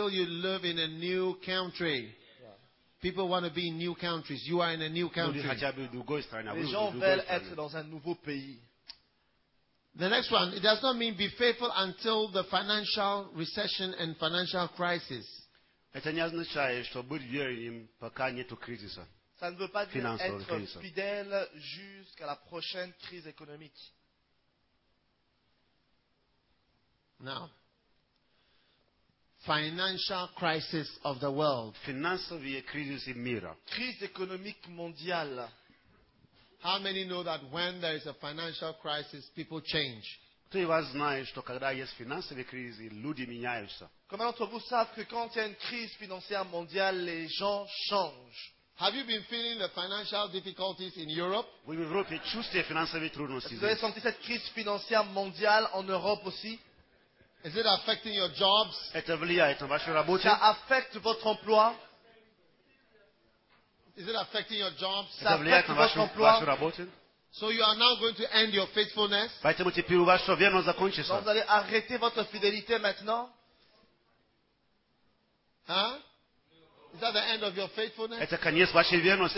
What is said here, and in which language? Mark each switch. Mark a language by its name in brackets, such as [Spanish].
[English] Until you live in a new country. People want to be in new countries. You are in a new country. [French] Les gens veulent être dans un nouveau pays. [English] The next one, it does not mean be faithful until the financial recession and financial crisis. [Russian] Это не означает, что быть верным, пока нету кризиса. [French] Ça ne veut pas dire être fidèle jusqu'à la prochaine crise économique. [English] Now. Financial crisis of the world. [Russian] Финансовая кризис мира. [French] Crise économique mondiale. [English] How many know that when there is a financial crisis, people change? [Russian] Кто из вас знает, что когда есть финансовый кризис, люди меняются? [French] Combien d'entre vous savent que quand il y a une crise financière mondiale, les gens changent? [English] Have you been feeling the financial difficulties in Europe? [Russian] Вы в Европе чувствуете финансовые трудности? [French] Vous avez senti cette crise financière mondiale en Europe aussi? [English] Is it affecting your jobs? [Russian] Это влияет на вашу работу? [French] Ça affecte votre emploi? [English] Is it affecting your jobs? [Russian] Это влияет на вашу работу? [English] So you are now going to end your faithfulness? [Russian] Поэтому теперь ваша верность закончится. [French] Donc, vous allez arrêter votre fidélité maintenant? [English] Huh? Is that the end of your faithfulness? [Russian] Это конец вашей верности.